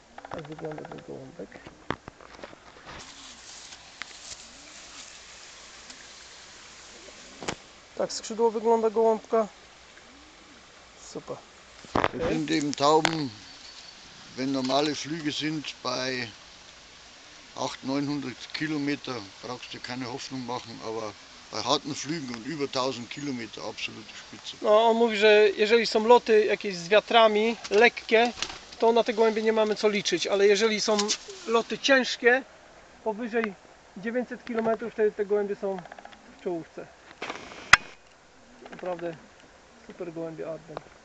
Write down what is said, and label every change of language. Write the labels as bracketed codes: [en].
[pl] Tak wygląda ten gołąbek. Tak skrzydło wygląda gołąbka. Super. [de] Okay. Wir sind eben Tauben, wenn normale Flüge sind, bei 800-900 Kilometer brauchst du keine Hoffnung machen, aber bei harten Flügen und über 1000 Kilometer absolute Spitze. [pl] No, on mówi, że jeżeli są loty jakieś z wiatrami, lekkie, to na te gołębie nie mamy co liczyć, ale jeżeli są loty ciężkie, powyżej 900 km, wtedy te gołębie są w czołówce. Naprawdę super gołębie Arden.